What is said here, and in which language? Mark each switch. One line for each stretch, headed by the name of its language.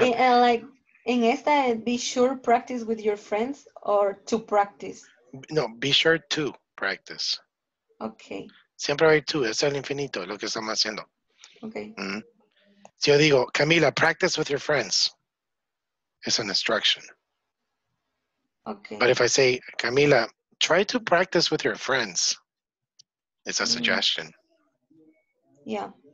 English: Like in esta, be sure practice with your friends or to practice? No, be sure to practice. Okay.
Spanish: Siempre hay to, es el infinito, lo que estamos haciendo.
English: Okay. Mm-hmm.
Spanish: Si yo digo,
English: Camila, practice with your friends. It's an instruction. Okay. But if I say, Camila, try to practice with your friends, it's a mm-hmm. suggestion. Yeah.